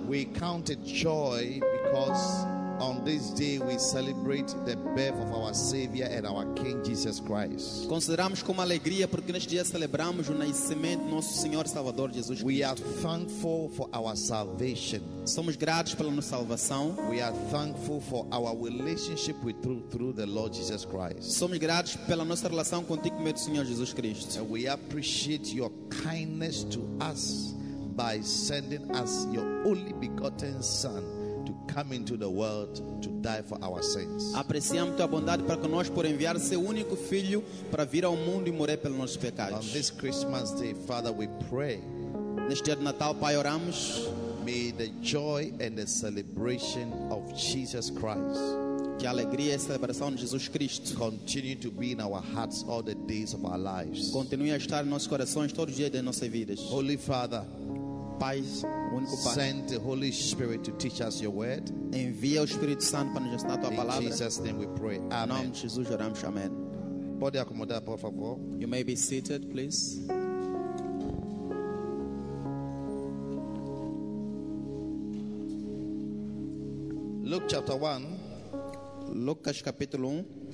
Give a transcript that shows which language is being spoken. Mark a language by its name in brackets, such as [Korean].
[English] We count it joy because on this day we celebrate the birth of our Savior and our King Jesus Christ. [Portuguese] Consideramos como alegria porque neste dia celebramos o nascimento do nosso Senhor Salvador Jesus Cristo. [English] We are thankful for our salvation. [Portuguese] Somos gratos pela nossa salvação. [English] We are thankful for our relationship with through the Lord Jesus Christ. [Portuguese] Somos gratos pela nossa relação contigo meu Senhor Jesus Cristo. [English] And we appreciate your kindness to us by sending us your only begotten Son. Come into the world to die for our sins. [Portuguese] Apreciamos tua bondade para conosco por enviar seu único filho para vir ao mundo e morrer pelos nossos pecados. [English] On this Christmas day, Father, we pray. [Portuguese] Neste dia de Natal, Pai, oramos. [English] May the joy and the celebration of Jesus Christ. [Portuguese] Que a alegria e a celebração de Jesus Cristo [English] continue to be in our hearts all the days of our lives. [Portuguese] Continue a estar em nossos corações todos os dias das nossas vidas. [English] Holy Father, [Portuguese] Pai, [English] send the Holy Spirit to teach us your word. [Portuguese] Envia o Espírito Santo para nos ensinar a tua palavra. [English] In Jesus' name we pray. Amen. [Portuguese] Em nome de Jesus oramos. Amém. Pode acomodar, por favor. [English] You may be seated, please. Luke chapter 1. [Portuguese] Lucas capítulo 1.